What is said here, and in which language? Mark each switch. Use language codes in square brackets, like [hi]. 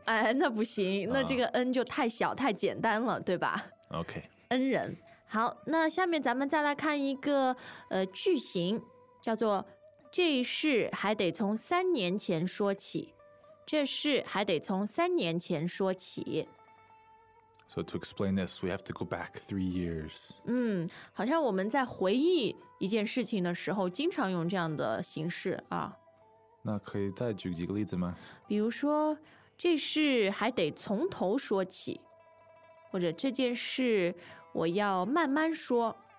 [zh] 哎，那不行，那这个恩就太小太简单了，对吧？ OK，恩人。好，那下面咱们再来看一个句型，叫做这事还得从三年前说起。这事还得从三年前说起。 [en] So to explain this, we have to go back 3 years. [zh] 好像我们在回忆一件事情的时候经常用这样的形式啊。那可以再举几个例子吗？比如说这事还得从头说起，或者这件事我要慢慢说。